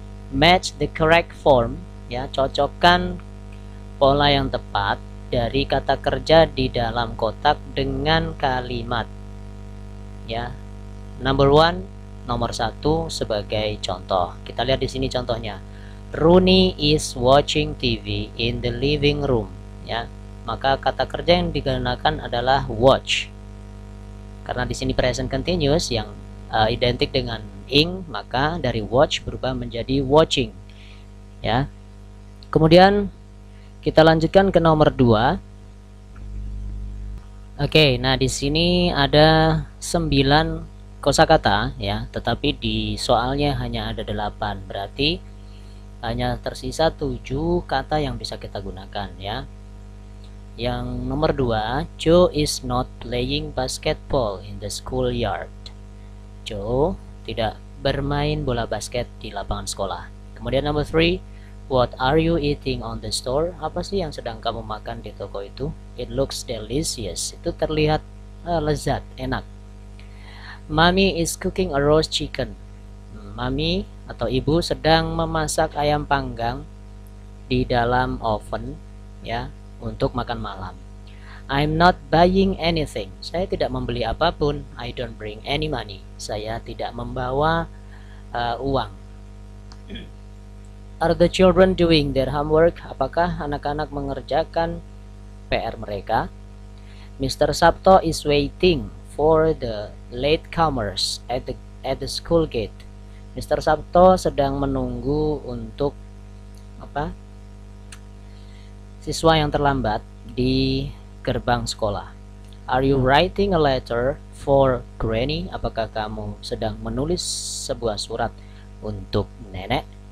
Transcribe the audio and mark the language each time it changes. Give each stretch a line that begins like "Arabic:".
English: Match the correct form,
Indonesian: ya, cocokkan pola yang tepat dari kata kerja di dalam kotak dengan kalimat.
English: Ya, number one.
Indonesian: Nomor satu sebagai contoh. Kita lihat di sini contohnya.
English: Rooney is watching TV in the living room.
Indonesian: Ya, maka kata kerja yang digunakan adalah watch. Karena di sini present continuous yang identik dengan ing, maka dari watch berubah menjadi watching. Ya. Kemudian kita lanjutkan ke nomor 2. Oke, nah di sini ada 9 kosa kata ya, tetapi di soalnya hanya ada 8, berarti hanya tersisa 7 kata yang bisa kita gunakan ya. Yang nomor 2,
English: Joe is not playing basketball in the schoolyard.
Indonesian: Joe tidak bermain bola basket di lapangan sekolah. Kemudian nomor 3,
English: what are you eating on the store?
Indonesian: Apa sih yang sedang kamu makan di toko itu?
English: It looks delicious.
Indonesian: Itu terlihat lezat, enak.
English: Mommy is cooking a roast chicken.
Indonesian: Mami atau ibu sedang memasak ayam panggang di dalam oven ya untuk makan malam.
English: I'm not buying anything.
Indonesian: Saya tidak membeli apapun.
English: I don't bring any money.
Indonesian: Saya tidak membawa uang.
English: Are the children doing their homework?
Indonesian: Apakah anak-anak mengerjakan PR mereka?
English: Mr. Sabto is waiting for the latecomers at the school gate. Mr.
Indonesian: Sabto sedang menunggu untuk apa? Siswa yang terlambat di gerbang sekolah.
English: Are you writing a letter for Granny?
Indonesian: Apakah kamu sedang menulis sebuah surat untuk nenek?